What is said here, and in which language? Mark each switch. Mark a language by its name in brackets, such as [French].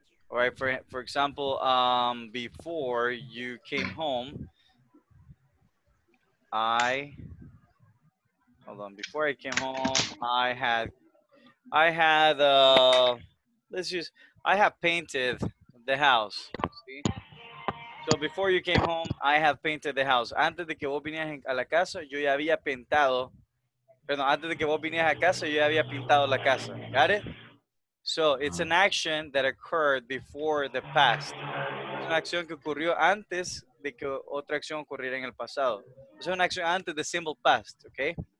[English] All right. For example, before you came home, before I came home, I had. I have painted the house. See? So before you came home, I have painted the house. [Spanish] Antes de que vos vinieras a la casa, yo ya había pintado. Perdón, antes de que vos vinieras a casa, yo ya había pintado la casa. [English] Got it? So it's an action that occurred before the past. [Spanish] Es una acción que ocurrió antes de que otra acción ocurriera en el pasado. Es una acción antes de simple past, okay?